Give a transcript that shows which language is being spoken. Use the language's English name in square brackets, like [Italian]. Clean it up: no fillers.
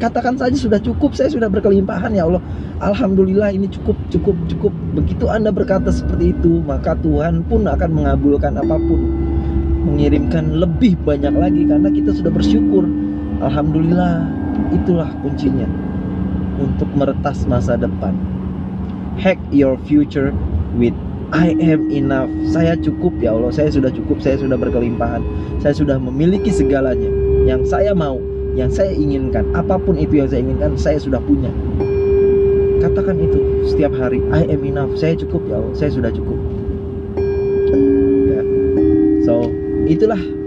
[Indonesian] Katakan saja sudah cukup, saya sudah berkelimpahan, ya Allah. Alhamdulillah ini cukup, cukup, cukup. Begitu Anda berkata seperti itu, maka Tuhan pun akan mengabulkan apapun, mengirimkan lebih banyak lagi karena kita sudah bersyukur. Alhamdulillah, itulah kuncinya untuk meretas masa depan. [English] Hack your future with I am enough. [Indonesian] Saya cukup, ya Allah, saya sudah cukup, saya sudah berkelimpahan. Saya sudah memiliki segalanya yang saya mau, yang saya inginkan. Apapun itu yang saya inginkan, saya sudah punya. Katakan itu setiap hari, [English] I am enough, [Indonesian] saya cukup, ya Allah, saya sudah cukup. Yeah. So, itulah